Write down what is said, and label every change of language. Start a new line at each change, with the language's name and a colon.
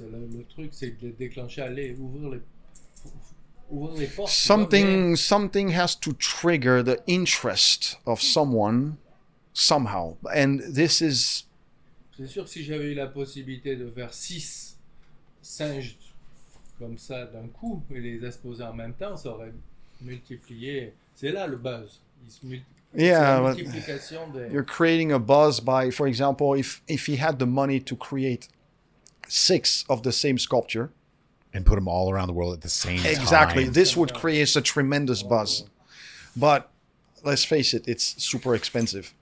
French: Le truc, c'est de déclencher, aller ouvrir les...
English: Something has to trigger the interest of someone somehow, and this is.
French: C'est sûr, si j'avais eu la possibilité de faire six singes comme ça d'un coup et les exposer en même temps, ça aurait multiplié. C'est là le buzz.
English: You're creating a buzz by, for example, if he had the money to create six of the same sculpture. And put them all around the world at the same time. Exactly. This would create a tremendous buzz. But let's face it, it's super expensive.